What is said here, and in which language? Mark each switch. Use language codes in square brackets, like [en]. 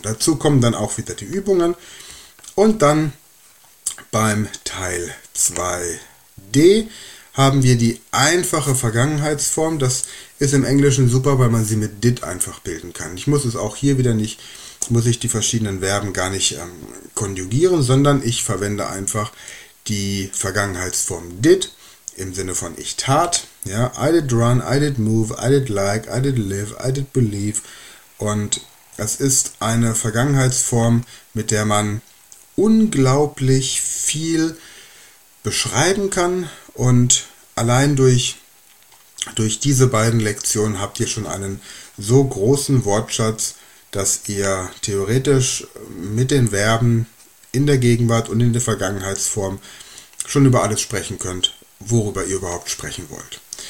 [de] Dazu kommen dann auch wieder die Übungen. Und dann beim Teil 2d haben wir die einfache Vergangenheitsform. Das ist im Englischen super, weil man sie mit did einfach bilden kann. Ich muss es auch hier wieder nicht, muss ich die verschiedenen Verben gar nicht konjugieren, sondern ich verwende einfach die Vergangenheitsform did im Sinne von ich tat. [en] Ja, I did run, I did move, I did like, I did live, I did believe. [de] Und es ist eine Vergangenheitsform, mit der man unglaublich viel beschreiben kann. Und allein durch diese beiden Lektionen habt ihr schon einen so großen Wortschatz, dass ihr theoretisch mit den Verben in der Gegenwart und in der Vergangenheitsform schon über alles sprechen könnt, worüber ihr überhaupt sprechen wollt.